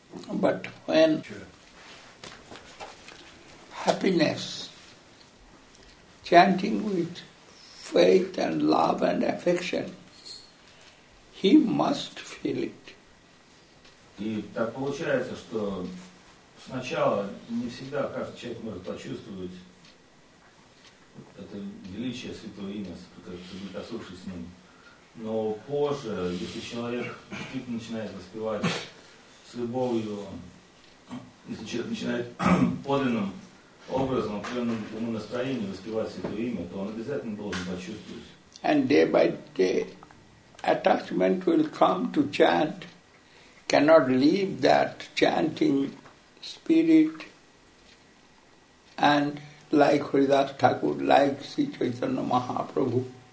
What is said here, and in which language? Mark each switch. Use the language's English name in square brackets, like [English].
[English] But when happiness, chanting with faith and love and affection, he must feel it. [Russian] И так получается, что сначала не всегда каждый человек может почувствовать это величие Святого Имя, соприкоснувшись с ним. Но позже, если человек действительно начинает воспевать с любовью, если человек начинает подлинным образом, определенным ему настроением воспевать Святое Имя, то он обязательно должен почувствовать. [English] And day by day, attachment will come to chant, cannot leave that chanting spirit, and like Haridas Thakur, like Sri Chaitanya Mahaprabhu.